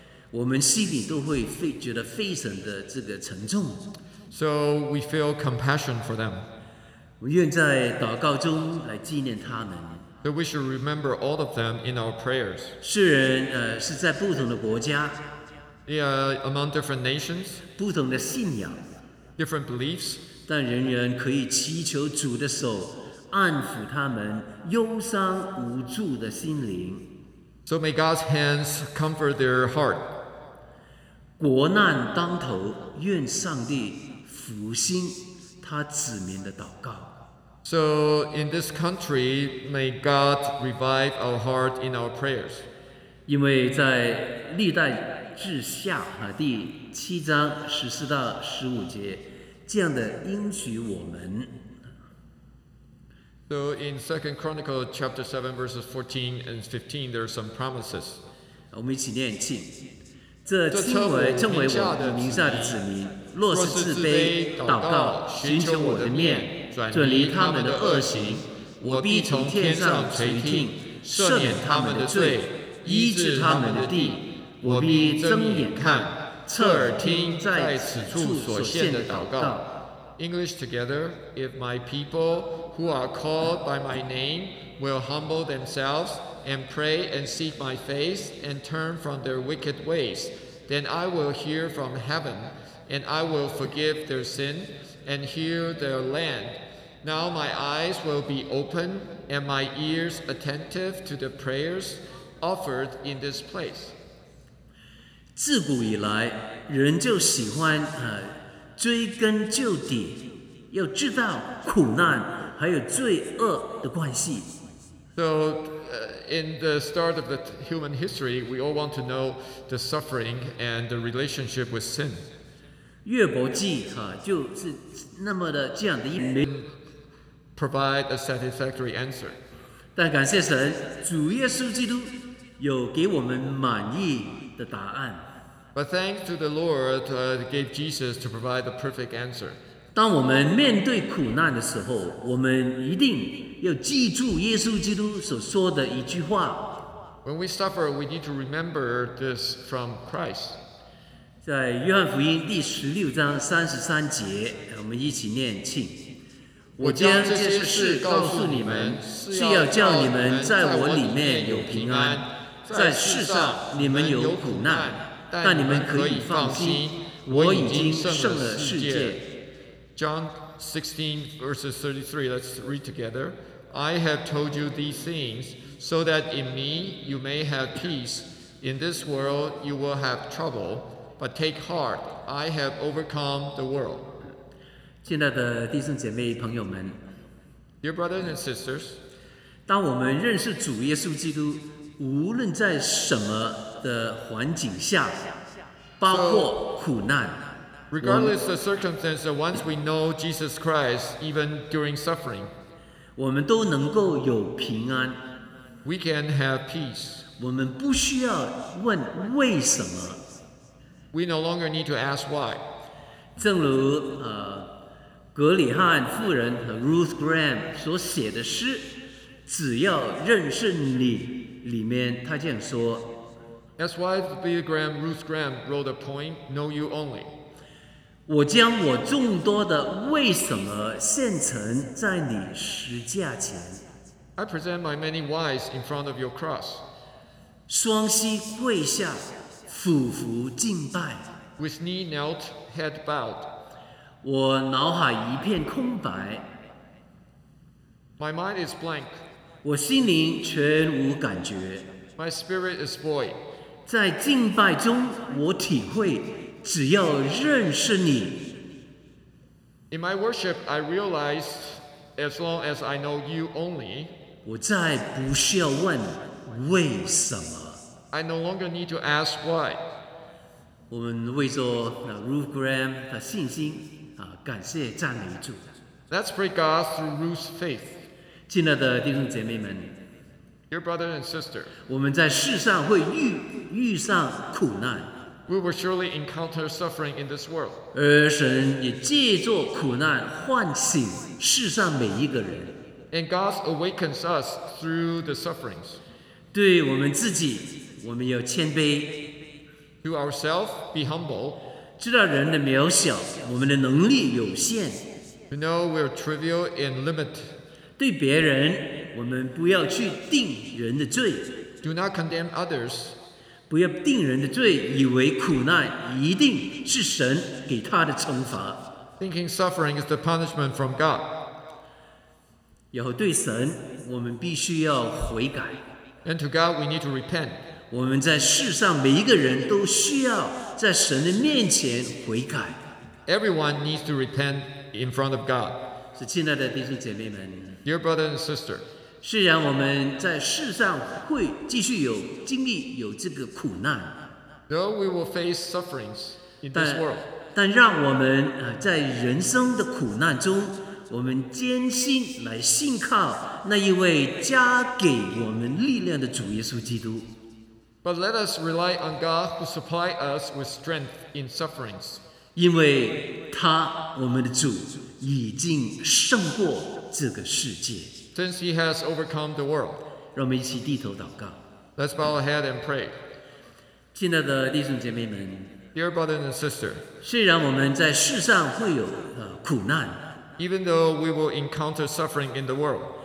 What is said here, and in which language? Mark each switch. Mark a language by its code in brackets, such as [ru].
[zh] 我们心里都会觉得非常的这个沉重。 [en] So we feel compassion for them. [zh] 我愿在祷告中来纪念他们。 [en] That we should remember all of them in our prayers. [zh] 世人是在不同的国家。 [en] They are among different nations. [zh] 不同的信仰。 [en] Different beliefs. [zh] 但人人可以祈求主的手安抚他们忧伤无助的心灵。 [en] So may God's hands comfort their heart. [zh] 国难当头，愿上帝复兴。他子民的祷告。 [en] So in this country, may God revive our heart in our prayers. [zh] 因为在历代志下第七章十四到十五节，这样的应许我们。 [en] So in Second Chronicles chapter 7 verses 14 and 15, there are some promises. [zh] 我们一起念经。这称为我的名下的子民，若是自卑祷告，寻求我的面，转离他们的恶行，我必从天上垂听，赦免他们的罪，医治他们的地。我必睁眼看，侧耳听，在此处所献的祷告。 [en] English together, if my people who are called by my name will humble themselves. And pray and seek my face and turn from their wicked ways, then I will hear from heaven, and I will forgive their sin and heal their land. Now my eyes will be open and my ears attentive to the prayers offered in this place. [zh] 自古以来，人就喜欢追根究底，要知道苦难还有罪恶的关系。 [en] So, in the start of the human history, we all want to know the suffering and the relationship with sin. [zh] 约伯记就是那么的这样的一 [en] provide a satisfactory answer. [zh] 但感谢神，主耶稣基督有给我们满意的答案。 [en] But thanks to the Lord, gave Jesus to provide the perfect answer. [zh] 当我们面对苦难的时候，我们一定。要记住耶稣基督所说的一句话。 [en] When we suffer, we need to remember this from Christ. [zh] 在约翰福音第十六章三十三节，我们一起念经。我将这些事告诉你们，是要叫你们在我里面有平安，在世上你们有苦难，但你们可以放心，我已经胜了世界。 [en] John 16 verses 33, let's read together. I have told you these things, so that in me you may have peace. In this world you will have trouble, but take heart, I have overcome the world. [zh] 亲爱的弟兄姐妹朋友们， [en] Dear brothers and sisters, [zh] 当我们认识主耶稣基督，无论在什么的环境下，包括苦难， [en] Regardless of the circumstances, once we know Jesus Christ, even during suffering, [zh] 我们都能够有平安。 [en] We can have peace. [zh] 我们不需要问为什么。 [en] We no longer need to ask why. [zh] 正如格里汉妇人和 Ruth Graham 所写的诗，只要认识你里面，他这样说。 [en] As wife Billy Graham, Ruth Graham wrote a poem, Know You Only. [zh] 我将我众多的为什么献呈在你十架前。 [en] I present my many whys in front of your cross. [zh] 双膝跪下，俯伏敬拜。 [en] With knee knelt, head bowed. [zh] 我脑海一片空白。 [en] My mind is blank. [zh] 我心灵全无感觉。 [en] My spirit is void. [zh] 在敬拜中，我体会。只要认识你。 [en] In my worship, I realized as long as I know you only, [zh] 我再不需要问为什么。 [en] I no longer need to ask why. [zh] 我们为着那 Ruth Graham 的信心啊，感谢赞美主。 [en] Let's pray God through Ruth's faith. [zh] 亲爱的弟兄姐妹们 [en] ，Dear brothers and sisters, [zh] 我们在世上会遇上苦难。 [en] We will surely encounter suffering in this world. [zh] 而神也借着苦难唤醒世上每一个人。 [en] And God awakens us through the sufferings. [zh] 对我们自己，我们要谦卑。 [en] To ourselves, be humble. [zh] 知道人的渺小，我们的能力有限。 [en] To know we are trivial and limited. [zh] 对别人，我们不要去定人的罪。 [en] Do not condemn others. [zh] 不要定人的罪，以为苦难一定是神给他的惩罚。 [en] Thinking suffering is the punishment from God. [zh] 然后对神，我们必须要悔改。 [en] And to God, we need to repent. [zh] 我们在世上每一个人都需要在神的面前悔改。 [en] Everyone needs to repent in front of God. [zh] 是亲爱的弟兄姐妹们。 [en] Dear brother and sister. [zh] 虽然我们在世上会继续有经历有这个苦难， [en] Though we will face sufferings in this world, [zh] 但让我们在人生的苦难中，我们坚信来信靠那一位加给我们力量的主耶稣基督。 [en] But let us rely on God who supply us with strength in sufferings. [zh] 因为他，我们的主，已经胜过这个世界。 [en] Since he has overcome the world, [zh] 让我们一起低头祷告。 [en] Let's bow our head and pray. [zh] 亲爱的弟兄姐妹们 [en] ，Dear brothers and sisters, [zh] 虽然我们在世上会有苦难 [en] ，Even though we will encounter suffering in the world,